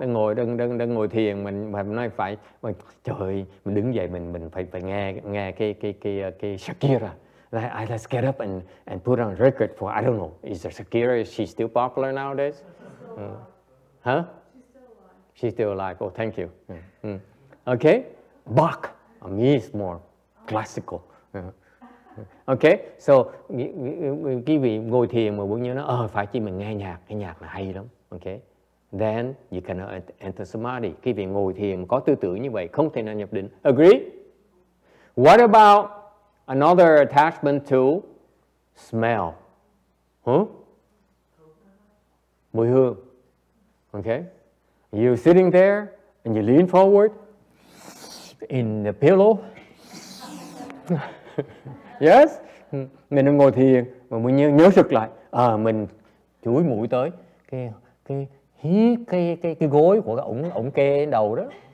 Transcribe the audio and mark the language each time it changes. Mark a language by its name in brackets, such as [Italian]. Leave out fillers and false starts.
[Vietnamese] Đang ngồi thiền mình nói phải, trời, mình đứng dậy mình phải nghe cái Shakira. [English] Like, let's get up and put on record for, I don't know, is there Shakira? Is she still popular nowadays? She's still alive. Huh? She's still alive. She's still alive. Oh, thank you. Okay, Bach. I mean, it's more classical. [Vietnamese] Okay, so quý vị ngồi thiền mà muốn nhớ nó, phải chỉ mình nghe nhạc, cái nhạc là hay lắm. [English] Okay, then you cannot enter samadhi. [Vietnamese] Quý vị ngồi thiền có tư tưởng như vậy không thể nào nhập định. [English] Agree? What about another attachment to smell? Huh? [Vietnamese] Mùi hương. [English] Okay, you sitting there and you lean forward in the pillow. [Vietnamese] Yes, mình đang ngồi thiền mà mình nhớ sực lại, mình chúi mũi tới cái gối của cái ổng kê đầu đó.